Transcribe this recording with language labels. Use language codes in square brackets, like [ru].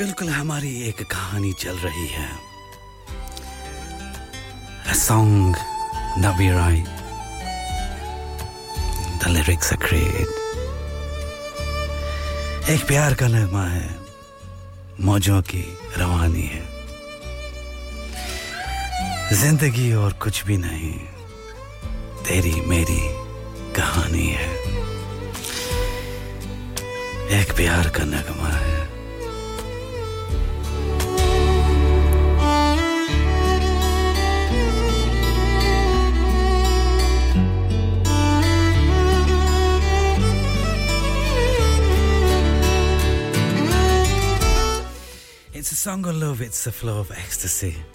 [hi] चल रही है [en] a song Navi Rai, the lyrics are great. [hi] एक प्यार का नगमा है, मौजों की रवानी है, जिंदगी और कुछ भी नहीं, तेरी मेरी कहानी है. एक प्यार का नगमा है, [en] song of love, it's a flow of ecstasy.